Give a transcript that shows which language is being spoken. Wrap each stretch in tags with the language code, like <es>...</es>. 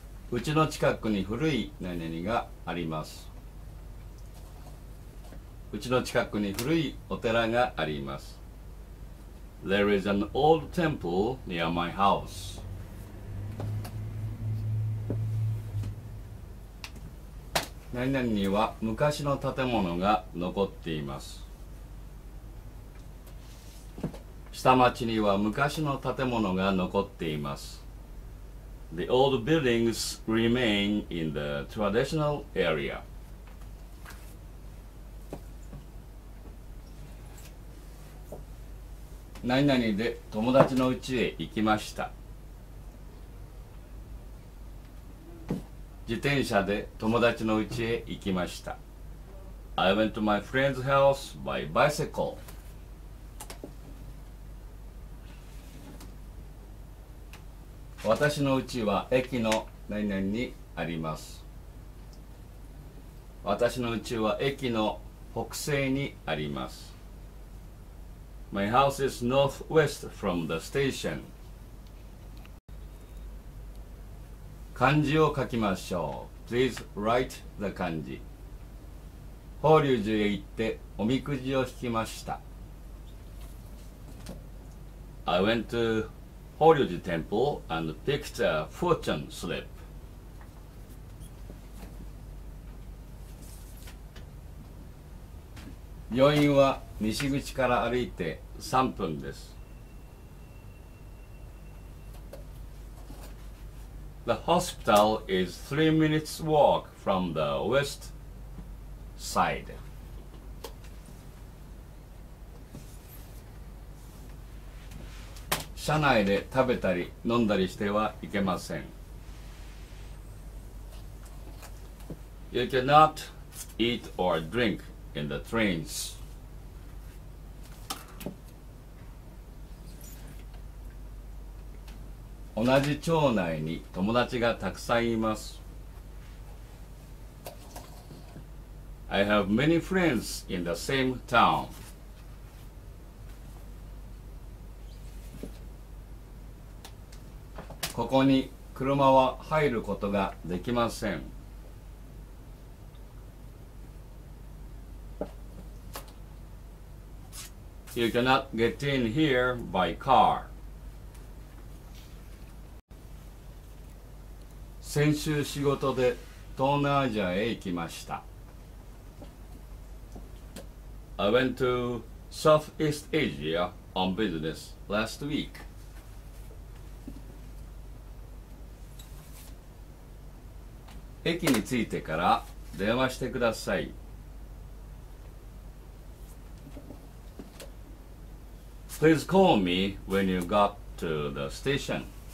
<ja>家の近くに古い何々があります。うちの近くに古いお寺があります。</ja> <en>There is an old temple near my house.</en> <ja>何々には昔の建物が残っています。下町には昔の建物が残っています。</ja> <en>The old buildings remain in the traditional area.</en> <ja>何々で友達の家へ行きました。自転車で友達の家へ行きました。</ja> <en>I went to my friend's house by bicycle.</en> <ja>私の家は駅の何々にあります。私の家は駅の北西にあります。</ja> <en>My house is northwest from the station.</en> <ja>漢字を書きましょう。</ja> <en>Please write the</en> <ja>漢字。法隆寺へ行っておみくじを引きました。</ja> <en>I went to 法隆寺 temple and picked a fortune slip.</en> <ja>病院は西口から歩いて3分です。</ja> <en>The hospital is 3 minutes walk from the west side.</en> <ja>車内で食べたり飲んだりしてはいけません。</ja> <en>You cannot eat or drink in the trains.</en> <ja>同じ町内に友達がたくさんいます。</ja> <en>I have many friends in the same town.</en> <ja>ここに車は入ることができません。</ja> <en>You cannot get in here by car.</en> <ja>先週仕事で東南アジアへ行きました。</ja> <en>I went to Southeast Asia on business last week.</en> <ja>駅に着いてから電話してください。</ja> <en>Please call me when you got to the station.</en>